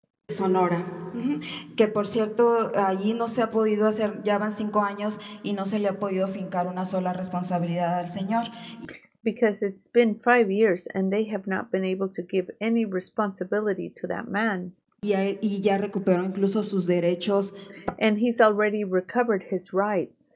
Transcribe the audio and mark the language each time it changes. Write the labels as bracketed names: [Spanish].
[Spanish] Sonora, que por cierto, allí no se ha podido hacer, ya van cinco años y no se le ha podido fincar una sola responsabilidad al señor. [English] Because it's been 5 years and they have not been able to give any responsibility to that man. [Spanish] Y ya recuperó incluso sus derechos. [English] And he's already recovered his rights.